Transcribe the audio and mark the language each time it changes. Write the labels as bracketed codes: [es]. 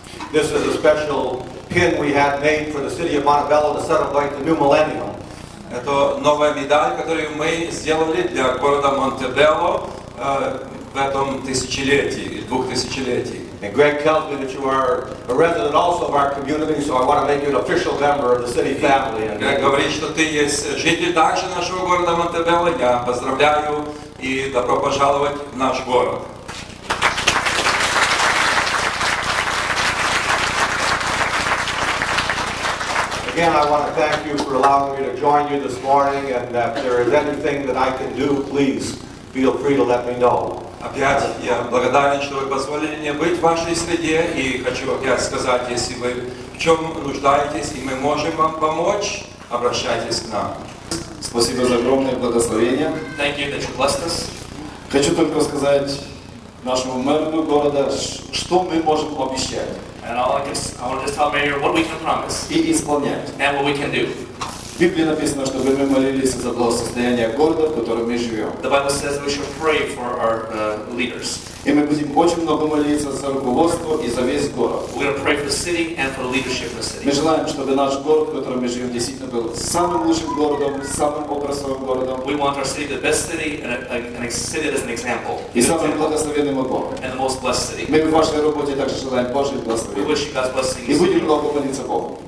[en] This is a special pin we had made for the city of Montebello to celebrate the new millennium. [ru] Это новая медаль, которую мы сделали для города Монтебелло в этом тысячелетии, двухтысячелетии. [en] And Greg tells me that you are a resident also of our community, so I want to make you an official member of the city family. [ru] Greg говорит, что ты есть житель также нашего города Монтебелло. Я поздравляю и добро пожаловать в наш город. [en] Again, I want to thank you for allowing me to join you this morning, and if there is anything that I can do, please feel free to let me know. [ru] Опять я благодарен, что вы позволили мне быть в вашей среде, и хочу опять сказать, если вы в чем нуждаетесь, и мы можем вам помочь, обращайтесь к нам. Спасибо за огромное благословение. [en] Thank you that you blessed us. [ru] Хочу только сказать нашему мэру города, что мы можем обещать. [en] And all I want to just tell Mayor what we can promise. [ru] И исполнять. [en] And what we can do. [ru] В Библии написано, что мы молились за благосостояние города, в котором мы живем. [en] The Bible says we should pray for our leaders. [ru] И мы будем очень много молиться за руководство и за весь город. [en] We're going to pray for the city and for the leadership of the city. [ru] Мы желаем, чтобы наш город, в котором мы живем, действительно был самым лучшим городом, самым образцовым городом. [en] We want our city the best city and a city that is an example. [ru] И самым благословенным городом. [en] And the most blessed city. [ru] Мы в вашей работе также желаем Божьих благословений. [en] We wish you God's blessings. [ru] И будем много молиться Богу.